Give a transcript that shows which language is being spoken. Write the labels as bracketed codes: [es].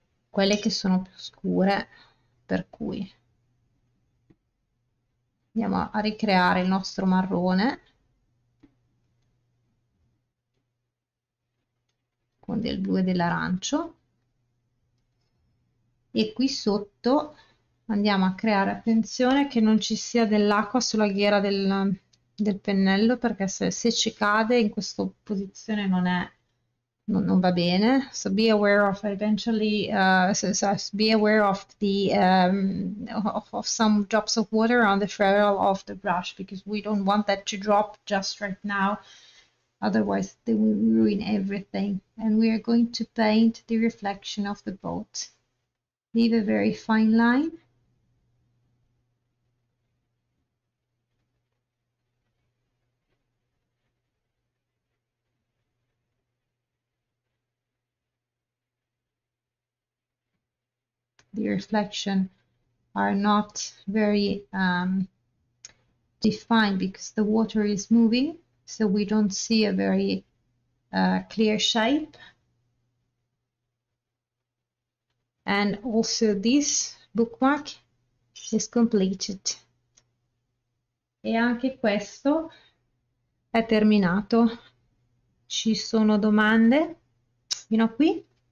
[it] quelle che sono più scure, per cui andiamo a ricreare il nostro marrone con del blu e dell'arancio e qui sotto andiamo a creare, attenzione che non ci sia dell'acqua sulla ghiera del pennello, perché se ci cade in questa posizione non va bene. [en] So be aware of eventually be aware of the of some drops of water on the ferrule of the brush, because we don't want that to drop just right now, otherwise they will ruin everything. And we are going to paint the reflection of the boat. Leave a very fine line. The reflection are not very defined because the water is moving, so we don't see a very clear shape. And also this bookmark is completed. [it] E anche questo è terminato. Ci sono domande fino a qui?